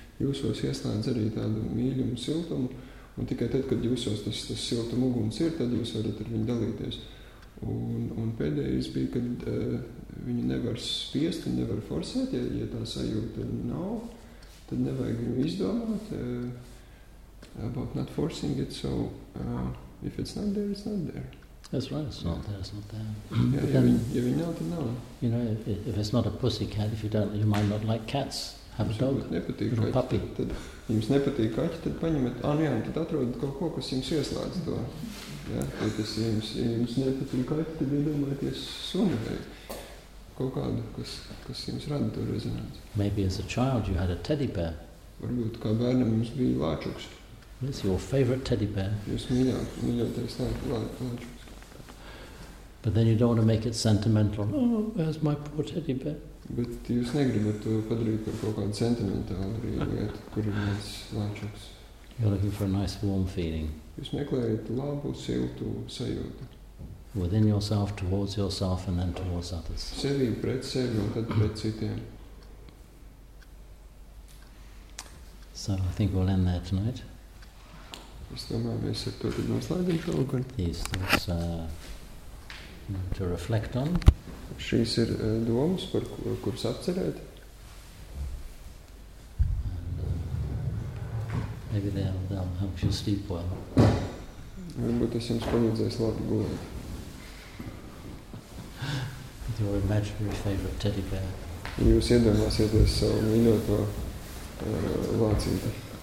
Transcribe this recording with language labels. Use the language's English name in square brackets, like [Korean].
[Latvian] Jūsos ieslēdz arī tādu mīļumu siltumu, un tikai tad, kad jūsos tas siltuma uguns ir, tad jūs varat ar viņu dalīties. Un pēdējais bija, kad viņu nevar spiest, viņu nevar forsēt, ja tā sajūta nav, tad nevajag viņu izdomāt. [English] About not forcing it, so if it's not there, it's not there. That's right, it's not there, it's not there. [Latvian] Ja viņi nav, tad nav. [English] You know, if it's not a pussy cat, if you don't, you might not like cats. Have a dog, little puppy. [Latvian] Tad jums nepatīk kaķi, tad paņemat, tad atrodat kaut ko, kas jums ieslēdz to. Ja, tas jums nepatīk kaķi, tad iedomājieties suni vai kaut kādu, kas jums rada to rezonanci. [English] Maybe as a child you had a teddy bear. [Latvian] Varbūt kā bērnam jums bija lāčuks. [English] What's your favorite teddy bear? [Latvian] Jūs mīļotais lāčuks. [English] But then you don't want to make it sentimental. Oh, where's my poor teddy bear? [Latvian] Bet jūs negribat to padarīt par kaut kādu sentimentālu lietu, kur ir mēs lāčuks. [English] You're looking for a nice warm feeling. [Latvian] Jūs meklējat labu, siltu sajūtu. [English] Within yourself, towards yourself and then towards others. [Latvian] Sevi pret sevi un tad pret citiem. [English] So I think we'll end there tonight. [Latvian] Es domāju, mēs ar to tad noslēdīm šo lukur. [English] These things to reflect on. [Latvian] Šīs ir domas, par kuras apcerēt. [English] Maybe they'll help you sleep well. [Latvian] Varbūt tas jums palīdzēs labi gulēt. [English] your imaginary favorite teddy bear. [Latvian] Jūs iedomāsieties savu mīļoto lācīti.